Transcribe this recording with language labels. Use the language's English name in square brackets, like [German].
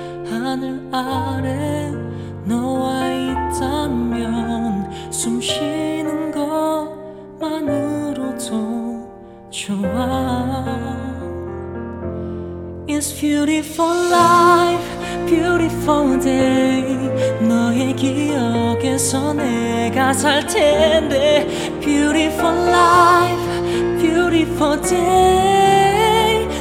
[Korean] 하늘 아래 너와 있다면 숨 쉬는 것만으로도 좋아. [English] It's beautiful life, beautiful day. [Korean] 너의 기억에서 내가 살 텐데. [English] Beautiful life, beautiful day.